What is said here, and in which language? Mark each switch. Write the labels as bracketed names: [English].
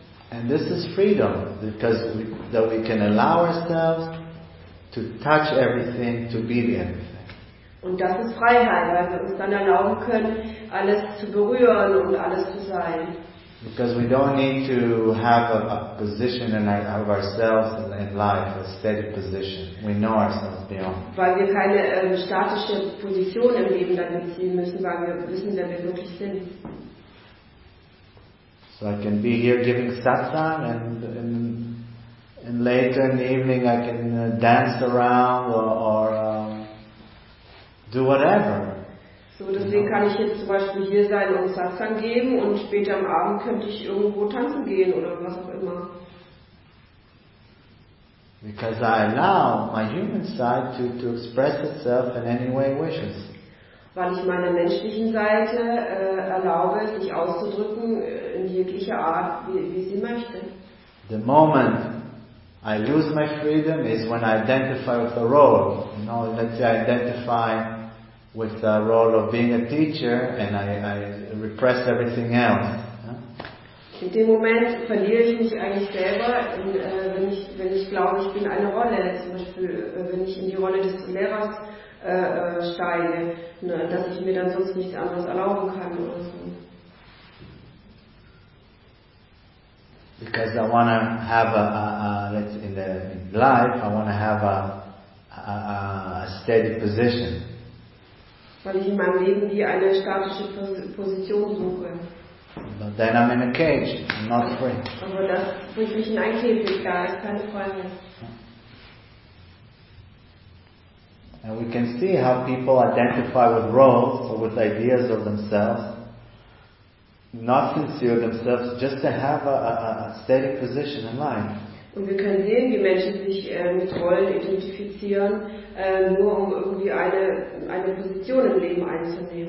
[English] And this is freedom, because that we can allow ourselves to touch everything, to be the end. [German] Und das ist Freiheit, weil wir uns dann erlauben können, alles zu berühren und alles zu sein. [English] Because we don't need to have a position in of ourselves in life, a steady position. We know ourselves beyond. [German] Weil wir keine statische Position im Leben dann beziehen müssen, weil wir wissen, wer wir wirklich sind. [English] So I can be here giving satsang and later in the evening I can dance around do whatever. [German] So, deswegen kann ich jetzt zum Beispiel hier sein und Satsang geben und später am Abend könnte ich irgendwo tanzen gehen oder was auch immer. [English] Because I allow my human side to express itself in any way it wishes. [German] Weil ich meiner menschlichen Seite erlaube, sich auszudrücken in jeglicher Art, wie sie möchte. [English] The moment I lose my freedom is when I identify with a role. You know, let's say I identify with the role of being a teacher and I repress everything else. [German] In dem Moment verliere ich mich eigentlich selber, wenn ich glaube, ich bin eine Rolle. Zum Beispiel, wenn ich in die Rolle des Lehrers steige, ne, dass ich mir dann sonst nichts anderes erlauben kann oder so. [English] Because I want to have a steady position. [German] Weil ich in meinem Leben wie eine statische Position suche. [English] But then I'm in a cage, I'm not free. [German] Aber das bringt mich in ein Käfig, da ist keine Freude. [English] And we can see how people identify with roles or with ideas of themselves, not sincere themselves, just to have a steady position in life. [German] Und wir können sehen, wie Menschen sich mit Rollen identifizieren, nur um irgendwie eine Position im Leben einzunehmen.